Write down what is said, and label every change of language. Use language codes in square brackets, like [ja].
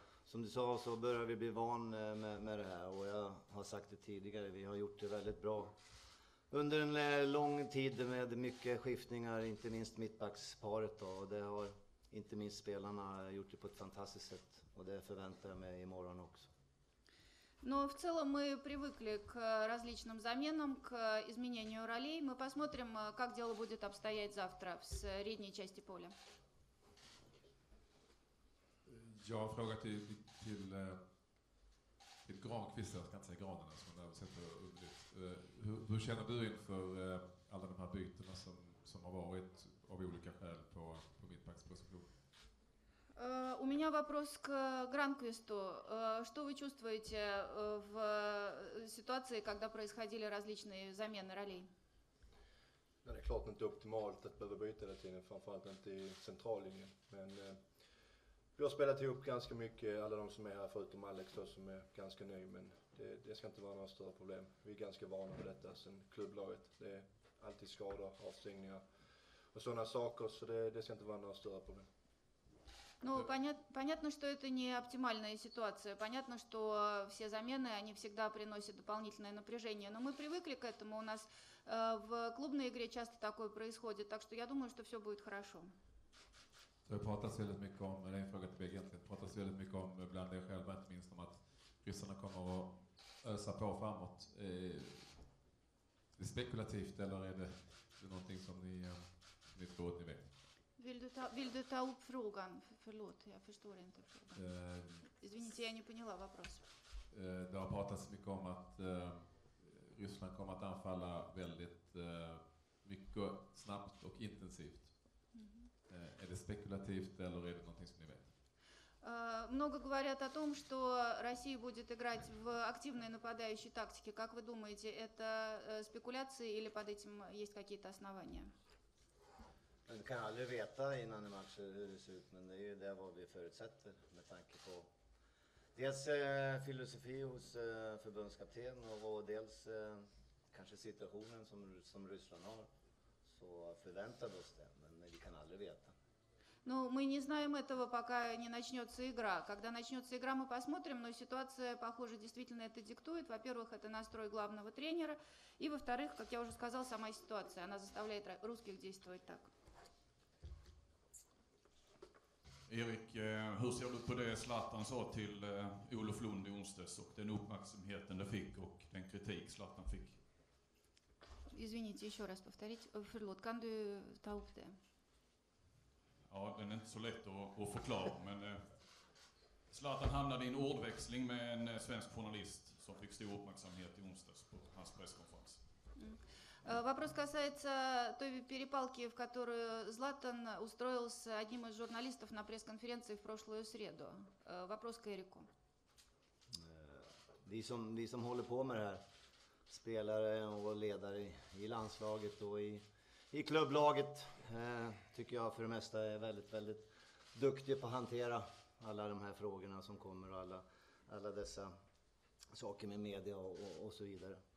[sv] Som du sa så börjar vi bli van med det här. Och jag har sagt det tidigare, vi har gjort det väldigt bra. Under en lång tid med mycket skiftningar, inte minst mittbacksparet då, och det har inte minst spelarna gjort det på ett fantastiskt sätt och det förväntar jag mig imorgon också. [ru] Но в целом мы привыкли к различным заменам, к изменению ролей. Мы посмотрим, как дело будет обстоять завтра в средней части поля. [sv] Jag har frågat till Granqvist, jag ska inte säga Granen, som han översätter underligt. Hur känner du inför alla de här bytena som har varit av olika skäl på mittbackspositionen? [ru] У меня вопрос к Гранквисту. Что вы чувствуете в ситуации, когда происходили различные замены ролей? [sv] Det är klart inte optimalt att behöva byta det till, framförallt inte i centrallinjen. Men vi har spelat ihop ganska mycket, alla de som är här förutom Alex då, som är ganska ny. Men det ska inte vara några större problem. Vi är ganska vana på detta sen klubblaget. Det är alltid skador, avstängningar och sådana saker. Så det ska inte vara några större problem. [ru] Ну, понятно, что это не оптимальная ситуация. Понятно, что все замены, они всегда приносят дополнительное напряжение. Но мы привыкли к этому. У нас в клубной игре часто такое происходит. Так что я думаю, что все будет хорошо. [sv] Det pratas väldigt mycket om, det är en fråga till Begge egentligen. Det pratas väldigt mycket om bland er själva, inte minst om att ryssarna kommer att ösa på framåt. Är det spekulativt eller är det någonting som ni tror att ni vet? Vill du ta upp frågan? Förlåt, jag förstår inte frågan. [ru] Извините, [sv] jag inte [ru] поняла вопрос. [sv] Det har pratats mycket om att Ryssland kommer att anfalla väldigt mycket snabbt och intensivt. Mm-hmm. Är det spekulativt eller är det någonting som ni vet? [ru] Много говорят о том, что Россия будет играть в активной нападающей тактике. Как вы думаете, это спекуляции или под этим есть какие-то основания? [sv] Men det kan jag aldrig veta innan en match hur det ser ut, men det är ju det vad vi förutsätter med tanke på dels filosofi hos förbundskapten och dels kanske situationen som Ryssland har, så förväntade oss det, men vi kan aldrig veta. [ru] Ну, мы не знаем этого, пока не начнется игра. Когда начнется игра, мы посмотрим, но ситуация, похоже, действительно это диктует. Во-первых, это настрой главного тренера, и во-вторых, как я уже сказал, сама ситуация, она заставляет русских действовать так. [sv] Erik, hur ser du på det Zlatan sa till Olof Lund i onsdags och den uppmärksamheten det fick och den kritik Zlatan fick? [ru] Извините, еще раз повторить. [sv] Förlåt, kan du ta upp det? Ja, den är inte så lätt att förklara, men Zlatan hamnade i en ordväxling med en svensk journalist som fick stor uppmärksamhet i onsdags på hans presskonferens. Mm. [ru] Вопрос касается той перепалки, в которую Златан устроил с одним из журналистов на пресс-конференции в прошлую среду. Вопрос к Эрику. [sv] Ни, håller på med det här, spelare och ledare i landslaget och i klubblaget, tycker jag för det mesta är väldigt, väldigt duktiga på att hantera alla de här frågorna som kommer och alla dessa saker med media och så vidare.